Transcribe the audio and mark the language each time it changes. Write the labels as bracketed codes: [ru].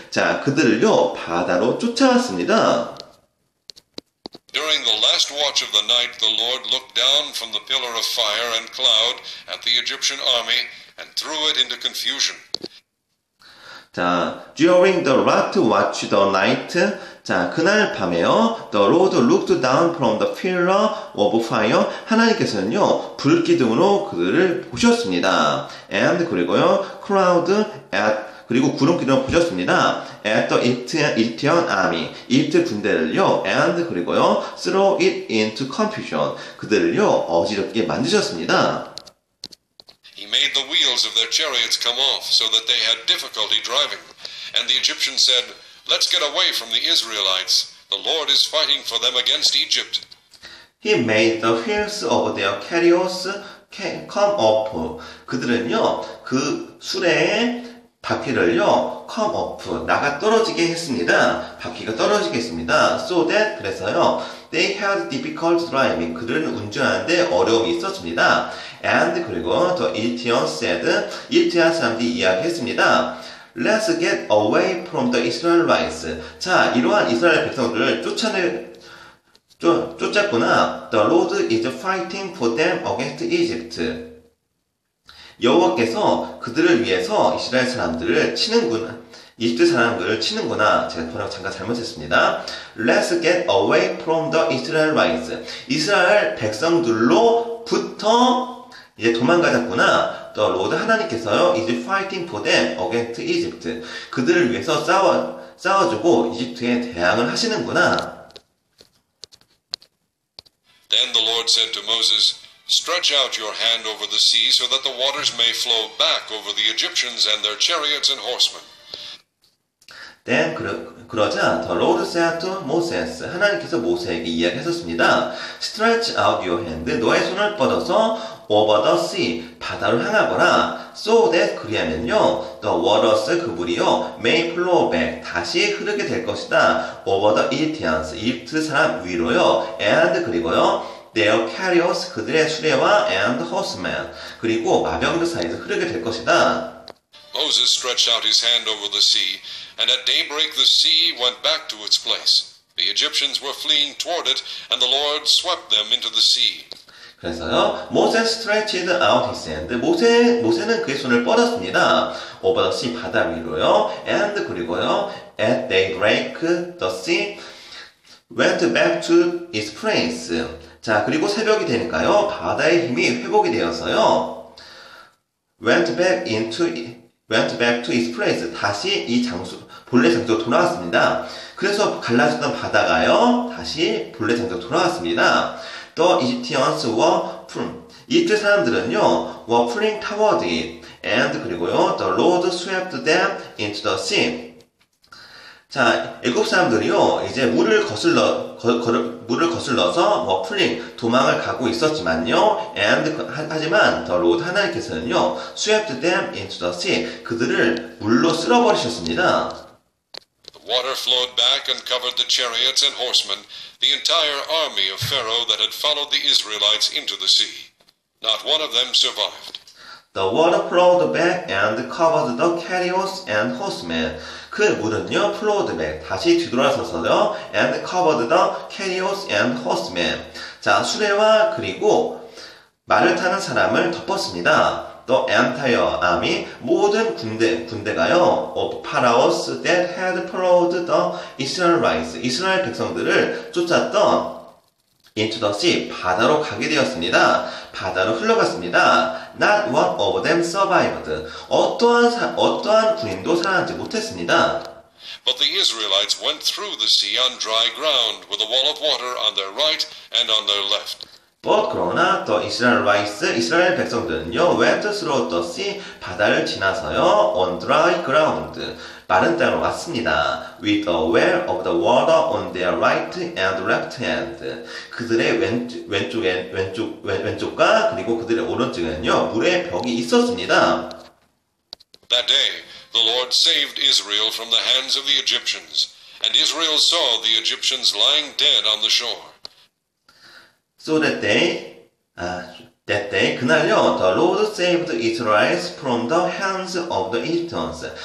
[ko] 자, 그들을요, 바다로 쫓아왔습니다. [en] During the last watch of the night, the Lord looked down from the pillar of fire and cloud at the Egyptian army and threw it into confusion. 자, during the last watch of the night, [ko] 자, 그날 밤에요, [en] the Lord looked down from the pillar of fire. [ko] 하나님께서는요, 불기둥으로 그들을 보셨습니다. [en] And [ko] 그리고요, [en] cloud at [ko] 그리고 구름기둥을 보셨습니다. [en] At the Egyptian army, [ko] 이집트 군대를요, [en] and 그리고요, throw it into confusion, [ko] 그들을요, 어지럽게 만드셨습니다. [en] He made the wheels of their chariots come off so that they had difficulty driving. And the Egyptians said, Let's get away from the Israelites. The Lord is fighting for them against Egypt. He made the wheels of their chariots come off. [ko] 그들은요, 그 수레에 바퀴를요, [en] come off, [ko] 나가 떨어지게 했습니다. 바퀴가 떨어지게 했습니다. [en] So that, [ko] 그래서요, [en] they had difficult driving. [ko] 그들은 운전하는데 어려움이 있었습니다. [en] And, [ko] 그리고, [en] the Egyptian said, [ko] 이집트 사람들이 이야기했습니다. [en] Let's get away from the Israelites. [ko] 자, 이러한 이스라엘 백성들을 쫓았구나. [en] The Lord is fighting for them against Egypt. [ko] 여호와께서 그들을 위해서 이스라엘 사람들을 치는구나. 이집트 사람들을 치는구나. 제가 번역 잠깐 잘못했습니다. [en] Let's get away from the Israelites. [ko] 이스라엘 백성들로부터 이제 도망가자꾸나. [en] The Lord [ko] 하나님께서요. [en] is fighting for them against Egypt. [ko] 그들을 위해서 싸워주고 이집트에 대항을 하시는구나. [en] Then the Lord said to Moses, Stretch out your hand over the sea so that the waters may flow back over the Egyptians and their chariots and horsemen. Then, [ko] 그러자, [en] the Lord said to Moses, [ko] 하나님께서 모세에게 이야기하셨습니다. [en] Stretch out your hand, [ko] 너의 손을 뻗어서 [en] over the sea, [ko] 바다를 향하거라. [en] So that, [ko] 그리하면요, [en] the waters, [ko] 그 물이요, [en] may flow back, [ko] 다시 흐르게 될 것이다. [en] Over the Egyptians, [ko] 이집트 사람 위로요, and 그리고요, [en] Their carriers, [ko] 그들의 수레와 [en] and horsemen, [ko] 그리고 마병들 사이에서 흐르게 될 것이다. [en] Moses stretched out his hand over the sea, and at daybreak the sea went back to its place. The Egyptians were fleeing toward it, and the Lord swept them into the sea. [ko] 그래서요, [en] Moses stretched out his hand. [ko] 모세는 그의 손을 뻗었습니다. [en] Over the sea, [ko] 바다 위로요, [en] and [ko] 그리고요, [en] at daybreak the sea went back to its place. [ko] 자, 그리고 새벽이 되니까요, 바다의 힘이 회복이 되어서요, [en] went back into went back to its place. [ko] 다시 이 장소, 본래 장소로 돌아왔습니다. 그래서 갈라졌던 바다가요, 다시 본래 장소로 돌아왔습니다. [en] The Egyptians were pulling. [ko] 이집트 사람들은요, [en] were pulling toward it. And, [ko] 그리고요, [en] the Lord swept them into the sea. [ko] 자, 애굽 사람들이요, 이제 물을 거슬러서, 뭐, 풀링, 도망을 가고 있었지만요, [en] and, [ko] 하지만, [en] the Lord [ko] 하나님께서는요, [en] swept them into the sea. [ko] 그들을 물로 쓸어버리셨습니다. [en] The water flowed back and covered the chariots and horsemen, the entire army of Pharaoh that had followed the Israelites into the sea. Not one of them survived. The water flowed back and covered the chariots and horsemen. [ko] 그 물은요, [en] flowed back. [ko] 다시 뒤돌아서서요, [en] and covered the chariots and horsemen. [ko] 자, 수레와 그리고 말을 타는 사람을 덮었습니다. [en] The entire army, [ko] 모든 군대가요, [en] of Pharaohs that had followed the Israelites. [ko] 이스라엘 백성들을 쫓았던 [en] into the sea, [ko] 바다로 가게 되었습니다. 바다로 흘러갔습니다. [en] Not one of them survived. [ko] 어떠한 군인도 살아나지 못했습니다. [en] But the Israelites went through the sea on dry ground with a wall of water on their right and on their left. But [ko] 그러나 [en] the Israelites, [ko] 이스라엘 백성들은요, [en] went through the sea, [ko] 바다를 지나서요, [en] on dry ground, [ko] 마른 땅으로 왔습니다. [en] With a well of the water on their right and left hand. [ko] 그들의 왼쪽과 그리고 그들의 오른쪽에는요, 물의 벽이 있었습니다. [en] That day, the Lord saved Israel from the hands of the Egyptians, and Israel saw the Egyptians lying dead on the shore. So that day, [ko] 그날요, [en] the Lord saved Israel from the hands of the Egyptians.